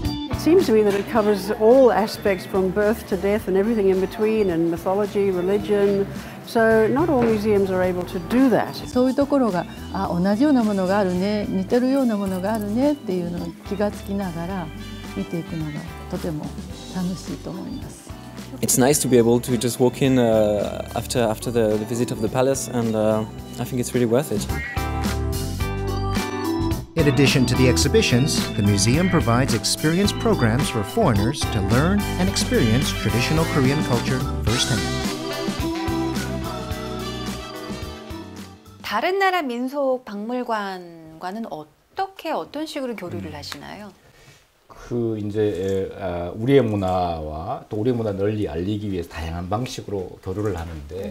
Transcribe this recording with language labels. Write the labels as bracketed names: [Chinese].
[English] It seems to me that it covers all aspects from birth to death and everything in between, and mythology, religion. So not all museums are able to do that. [Japanese] そういうところが、あ、同じようなものがあるね、似てるようなものがあるねっていうのを気がつきながら見ていくのがとても楽しいと思います。 [English] It's nice to be able to just walk in after the visit of the palace, and I think it's really worth it. In addition to the exhibitions, the museum provides experience programs for foreigners to learn and experience traditional Korean culture firsthand. [Korean] 다른 나라 민속 박물관과는 어떻게 어떤 식으로 교류를 하시나요? 그 이제 우리의 문화와 또 우리의 문화 널리 알리기 위해서 다양한 방식으로 교류를 하는데